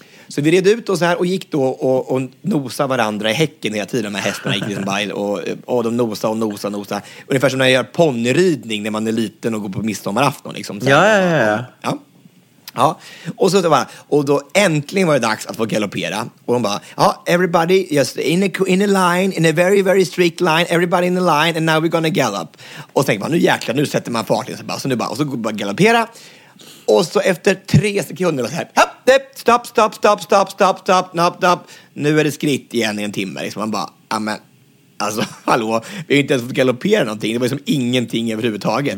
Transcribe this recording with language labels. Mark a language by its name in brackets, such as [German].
[Swedish] Så vi red ut och så här och gick då och nosade varandra i häcken hela tiden. De här hästarna gick liksom bara och de nosade och nosade och nosade. Ungefär som när jag gör ponnyridning när man är liten och går på midsommarafton. Liksom, ja, ja, ja, ja. Ja. Ja. Och så bara, och då äntligen var det dags att få galoppera. Och de bara, ja, [English] everybody just in a line, in a very, very strict line. Everybody in a line and now we're gonna gallop. [Swedish] Och så tänker man, nu jäklar, nu sätter man fart. Och så går bara galoppera. Och så efter 3 sekunder så här, hopp, hopp, stopp, stopp, stopp, stopp, stopp, stopp, stopp, stopp. Nu är det skritt igen i en timme. Liksom. Man bara, amen, alltså, hallå, vi har inte ens fått galoppera någonting. Det var liksom ingenting överhuvudtaget.